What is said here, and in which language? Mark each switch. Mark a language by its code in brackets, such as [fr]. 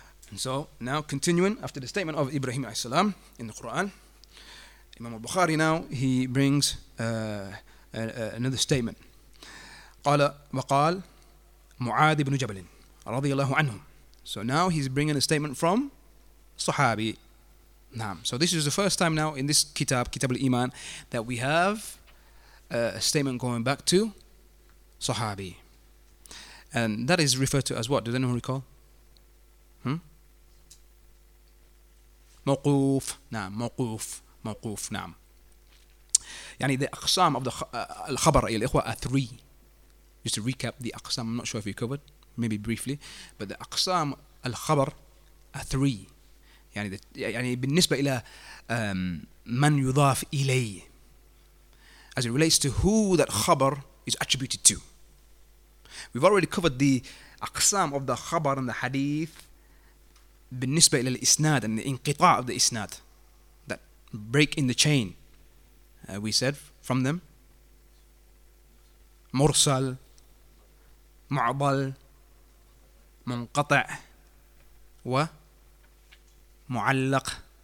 [en] And so, now continuing after the statement of Ibrahim عليه السلام in the Quran, Imam al-Bukhari now, he brings another statement. [ar] قال وقال معاذ بن جبل رضي الله عنه. [en] So now he's bringing a statement from Sahabi. نعم. So this is the first time now in this kitab, Kitab al-Iman, that we have a statement going back to Sahabi. And that is referred to as what? Does anyone recall? [ar] موقوف. نعم. موقوف. موقوف. نعم. يعني the أقسام of the الخبر أيها الإخوة [en] are three. Just to recap the أقسام, I'm not sure if you covered, maybe briefly, but the [ar] أقسام الخبر [en] are three. [ar] يعني the, يعني بالنسبة إلى من يضاف إليه. [en] As it relates to who that khabar is attributed to. We've already covered the aqsam of the khabar and the hadith [ar] بالنسبه الى الاسناد [en] and the انقطاع of the isnad, that break in the chain. We said from them [ar] مرسل معضل منقطع و معلق.